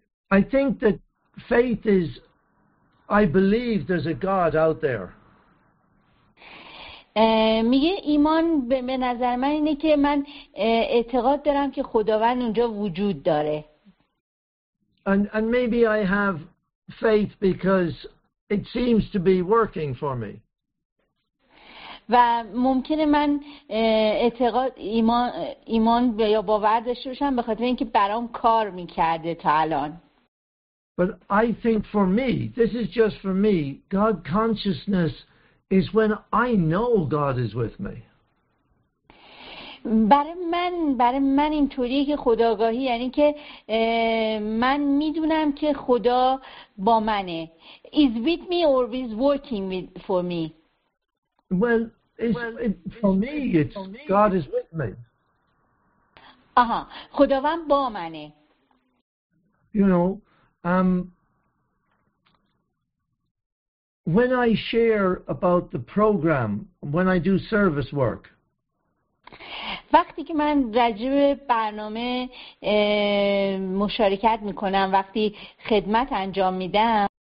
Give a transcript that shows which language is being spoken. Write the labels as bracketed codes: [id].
[en] I think that faith is, I believe there's a God out there. [fa] میگه ایمان به نظر من اینه که من اعتقاد دارم که خداوند اونجا وجود داره. [en] And maybe I have faith because it seems to be working for me. [fa] و ممکنه من اعتقاد ایمان یا باور داشته باشم به خاطر اینکه برام کار میکرده تا الان. [en] But I think for me, this is just for me, God consciousness is when I know God is with me. [fa] برای من اینطوریه که خودآگاهی یعنی که من میدونم که خدا با منه. [en] Is with me or is working with for me? Well, for me, God is with me. [fa] آها خداوند با منه. [en] You know, when I share about the program, when I do service work, [fa] وقتی که من راجع به برنامه مشارکت میکنم، وقتی خدمت انجام میدم،